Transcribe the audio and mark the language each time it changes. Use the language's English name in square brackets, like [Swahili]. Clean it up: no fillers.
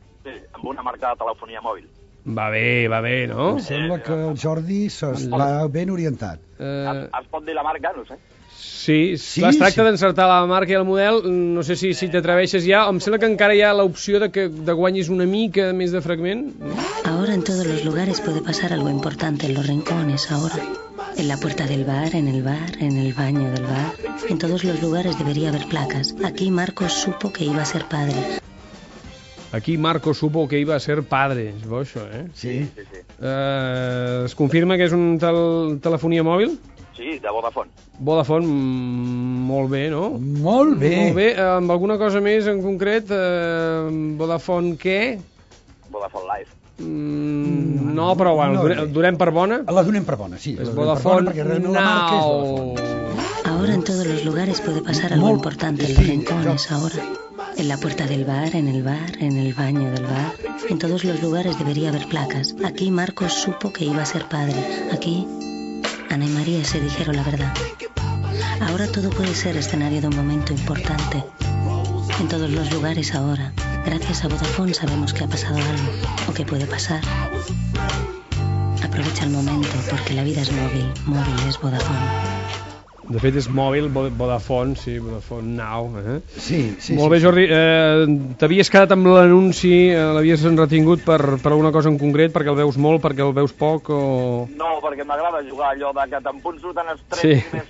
[Catalan] Sí, amb una marca de telefonia mòbil. Va bé, no? Em sembla que el Jordi s'està ben orientat. Es pot dir la marca, no sé. Sí, clar, es tracta d'encertar la marca i el model. No sé si t'atreveixes ja. Em sembla que encara hi ha l'opció de guanyis una mica més de fragment. [Spanish] Ahora en todos los lugares puede pasar algo importante en los rincones, ahora. En la puerta del bar, en el baño del bar. En todos los lugares debería haber placas. Aquí Marcos supo que iba a ser padre. Aquí Marco supo que iba a ser padre. [Catalan] És bo, això, eh? Sí. Es confirma que és un telefonia mòbil? Sí, de Vodafone. Vodafone, molt bé, no? Molt bé. Molt bé. Amb alguna cosa més en concret, Vodafone què? Vodafone Life. No, però bueno, no, durem per bona. La donem per bona, sí. És Vodafone per bona, perquè realment la marca és Vodafone. [Spanish] Ahora en todos los lugares puede pasar algo importante en los rincones, ahora. En la puerta del bar, en el bar, en el baño del bar. En todos los lugares debería haber placas. Aquí Marcos supo que iba a ser padre. Aquí Ana y María se dijeron la verdad. Ahora todo puede ser escenario de un momento importante. En todos los lugares ahora. Gracias a Vodafone sabemos que ha pasado algo o que puede pasar. Aprovecha el momento porque la vida es móvil. Móvil es Vodafone. [Catalan] De fet, és mòbil, Vodafone, sí, Vodafone Now. Sí, sí. Molt bé, Jordi, t'havies quedat amb l'anunci, l'havies retingut per alguna cosa en concret, perquè el veus molt, perquè el veus poc, o...? No, perquè m'agrada jugar allò de que te'n punts surten els 3 sí.